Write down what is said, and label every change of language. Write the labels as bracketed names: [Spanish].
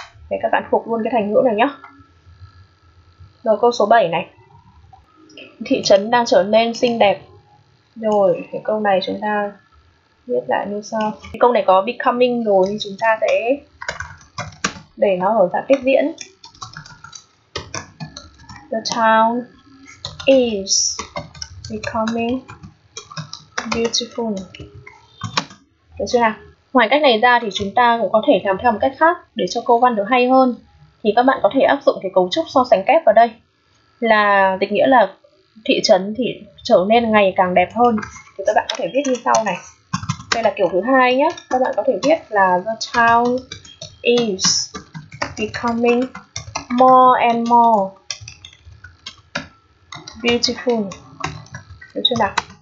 [Vietnamese] Để các bạn thuộc luôn cái thành ngữ này nhé. Rồi câu số 7 này. Thị trấn đang trở nên xinh đẹp. Rồi, cái câu này chúng ta viết lại như sau. Cái câu này có becoming rồi thì chúng ta sẽ để nó ở dạng tiếp diễn. [English] The town is becoming beautiful. [Vietnamese] Được chưa nào? Ngoài cách này ra thì chúng ta cũng có thể làm theo một cách khác để cho câu văn được hay hơn. Thì các bạn có thể áp dụng cái cấu trúc so sánh kép vào đây. Là định nghĩa là thị trấn thì trở nên ngày càng đẹp hơn. Thì các bạn có thể viết như sau này. Đây là kiểu thứ hai nhé. Các bạn có thể viết là [English] the town is becoming more and more beautiful. [Vietnamese] Được chưa nào?